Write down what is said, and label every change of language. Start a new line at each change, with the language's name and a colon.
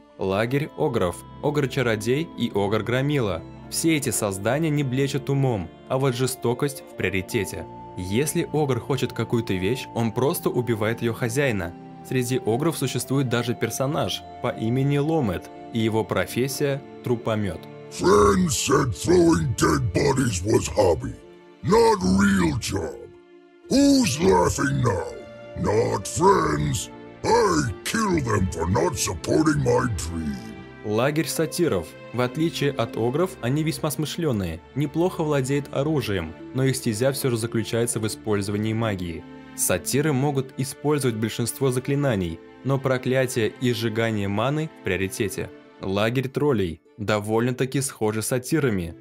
Russian: Лагерь огров, огр-чародей и огр-громила. Все эти создания не блещут умом, а вот жестокость в приоритете. Если огр хочет какую-то вещь, он просто убивает ее хозяина. Среди огров существует даже персонаж по имени Ломет, и его профессия – трупомет.
English: Friends said throwing dead bodies was hobby, not real job. Who's laughing now? Not friends. I kill them for not supporting my dream.
Russian: Лагерь сатиров. В отличие от огров, они весьма смышленые, неплохо владеют оружием, но их стезя все же заключается в использовании магии. Сатиры могут использовать большинство заклинаний, но проклятие и сжигание маны в приоритете. Лагерь троллей. Довольно-таки схожи с сатирами.